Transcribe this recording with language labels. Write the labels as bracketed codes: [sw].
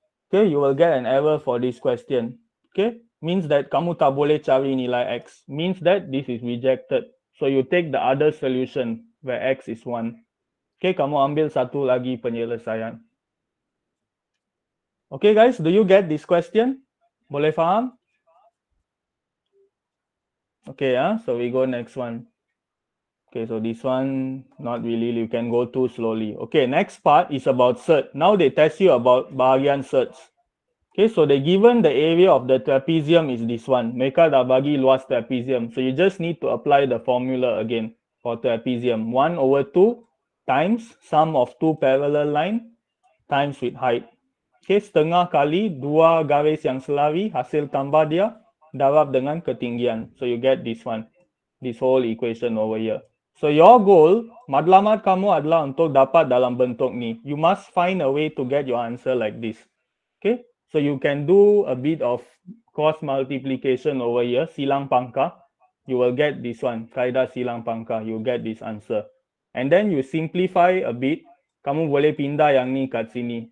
[en] Okay, you will get an error for this question. Okay, means that [ms] kamu tak boleh cari nilai x. [en] Means that this is rejected. So you take the other solution where x is 1. [ms] Okay, kamu ambil satu lagi penyelesaian. [en] Okay guys, do you get this question? [ms] Boleh faham? [en] Okay, so we go next one. Okay, so this one, not really, you can go too slowly. Okay, next part is about search. Now they test you about bahagian search. Okay, so they given the area of the trapezium is this one. [ms] Mereka dah bagi luas trapezium. [en] So you just need to apply the formula again for trapezium. 1 over 2 times sum of 2 parallel line times with height. [ms] Okay, setengah kali 2 garis yang selari hasil tambah dia. Darab dengan ketinggian. [en] So you get this one. This whole equation over here. So your goal, [ms] matlamat kamu adalah untuk dapat dalam bentuk ni. [en] You must find a way to get your answer like this. Okay? So you can do a bit of cross multiplication over here. [ms] Silang pangkah. [en] You will get this one. [ms] Kaedah silang pangkah. [en] You get this answer. And then you simplify a bit. [ms] Kamu boleh pindah yang ni kat sini.